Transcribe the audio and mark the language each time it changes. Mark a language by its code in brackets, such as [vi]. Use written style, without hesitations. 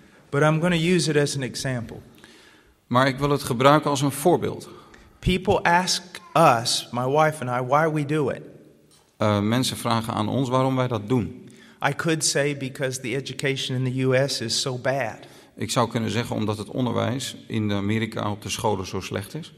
[en] But I'm going to use it as an example. [nl] Maar ik wil het gebruiken als een voorbeeld. [en] People ask us, my wife and I, why we do it. [nl] Mensen vragen aan ons waarom wij dat doen. [en] I could say because the education in the US is so bad. [nl] Ik zou kunnen zeggen omdat het onderwijs in Amerika op de scholen zo slecht is.